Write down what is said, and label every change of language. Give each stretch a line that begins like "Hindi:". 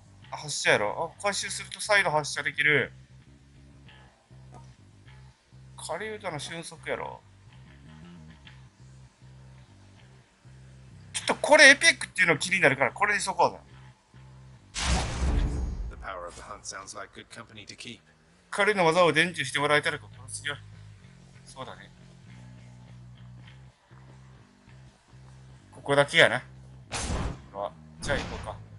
Japanese: 発射やろ？あ、回収すると再度発射できる。カリウタの瞬速やろ。ちょっとこれエピックっていうの気になるからこれにしとこうぜ。
English: The power of the hunt sounds like good company to keep.
Japanese: 彼の技を伝授してもらえたら心強い。そうだね。ここだけやな。じゃあ行こうか。